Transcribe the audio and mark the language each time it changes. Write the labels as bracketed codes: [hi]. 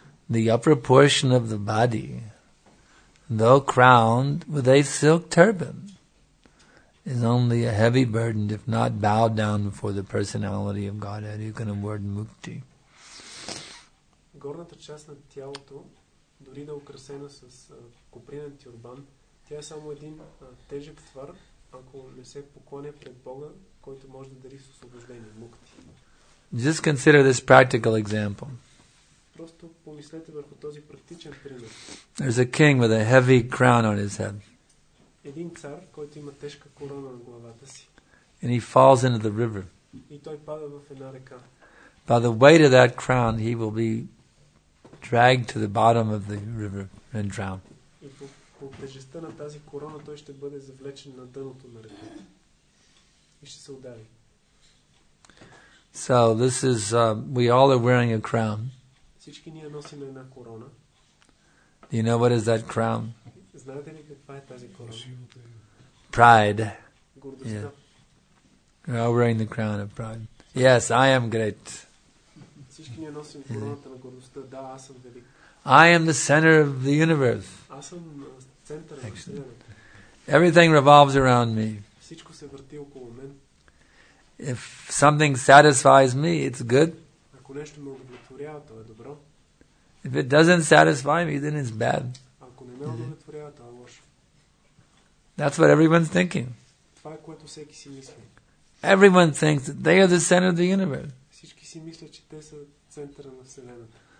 [en] The upper portion of the body, though crowned with a silk turban, is only a heavy burden if not bowed down before the personality of Godhead, who can award mukti. [bg] Горната част на тялото, дори да е украсена с купринен тюрбан, тя е само един тежък твар, ако не се поклоня пред Бога, който може да дари освобождение, мукти. [en] Just consider this practical example. [bg] Просто помислете върху този практичен пример. [en] There's a king with a heavy crown on his head. [bg] Един цар, който има тежка корона на главата си. [en] And he falls into the river. [bg] И той пада в една река. [en] By the weight of that crown, he will be dragged to the bottom of the river and drown. [bg] И по тежестта на тази корона той ще бъде завлечен на дъното на реката. И ще се удари. [en] So this is we all are wearing a crown. [bg] Всички ние носим една корона. [en] Do you know what is that crown? [bg] Знаете ли каква е тази корона? [en] Pride. [bg] Гордостта. [en] Yeah. We're all wearing the crown of pride. Yes, I am great. [bg] Всички ние носим короната на гордостта. Да, аз съм велик. [en] I am the center of the universe. [bg] Аз съм центъра на вселената. [en] Everything revolves around me. [bg] Всичко се върти около мен. [en] If something satisfies me, it's good. [bg] Ако нещо ме удовлетворява, то е добро. [en] If it doesn't satisfy me, then it's bad. [bg] Ако не ме удовлетворява, то е лошо. [en] That's what everyone's thinking. [bg] Това е което всеки си мисли. [en] Everyone thinks that they are the center of the universe. [bg] Всички си мислят, че те са центъра на вселената.